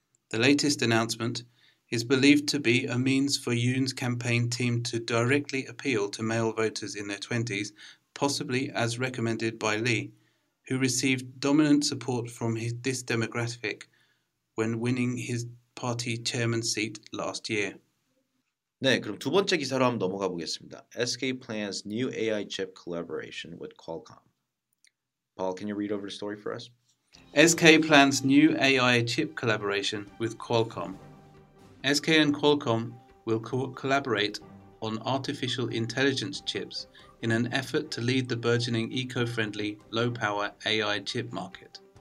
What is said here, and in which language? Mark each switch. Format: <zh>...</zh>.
<en>The latest announcement is believed to be a means for Yoon's campaign team to directly appeal to male voters in their 20s, possibly as recommended by Lee, who received dominant support from this demographic when winning his party chairman seat last year.</en> <ko>네, 그럼 두 번째 기사로 한번 넘어가 보겠습니다.</ko> <en>SK plans new AI chip collaboration with Qualcomm. Paul, can you read over the story for us? SK plans new AI chip collaboration with Qualcomm. SK and Qualcomm will collaborate on artificial intelligence chips in an effort to lead the burgeoning eco-friendly, low-power AI chip market.</en>